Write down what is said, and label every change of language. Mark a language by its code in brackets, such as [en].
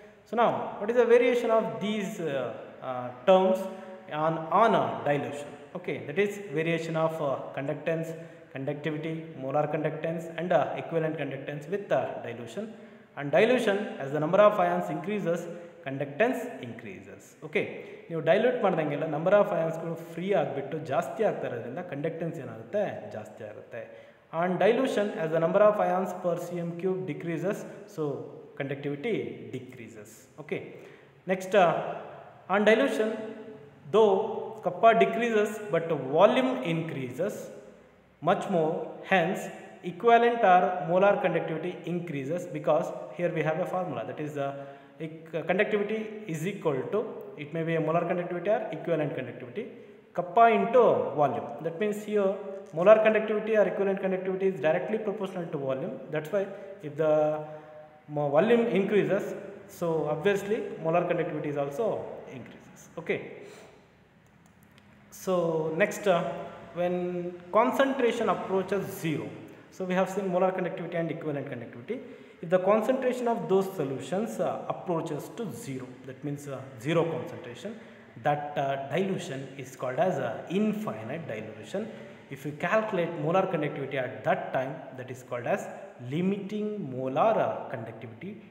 [en] So now what is the variation of these terms on dilution? Okay, that is variation of conductance, conductivity, molar conductance, and equivalent conductance with dilution. and dilution, as the number of ions increases, conductance increases. [kn] Okay, ನೀವು dilute ಮಾಡ್ದಂಗೆಲ್ಲ number of ಅಯಾನ್ಸ್ಗಳು free ಆಗಿಬಿಟ್ಟು ಜಾಸ್ತಿ ಆಗ್ತಾ ಇರೋದ್ರಿಂದ conductance ಏನಾಗುತ್ತೆ ಜಾಸ್ತಿ ಆಗುತ್ತೆ. [en] And dilution as the number of ions per C M cube decreases, so conductivity decreases. Okay, next on dilution though kappa decreases but volume increases much more, hence equivalent or molar conductivity increases because here we have a formula that is the conductivity is equal to, it may be a molar conductivity or equivalent conductivity, kappa into volume. That means yo molar conductivity or equivalent conductivity is directly proportional to volume. That's why if the volume increases so obviously molar conductivity is also increases. Okay, so next when concentration approaches zero, so we have seen molar conductivity and equivalent conductivity. If the concentration of those solutions approaches to zero, that means zero concentration, that dilution is called as a infinite dilution. If you calculate molar conductivity at that time, that is called as limiting molar conductivity.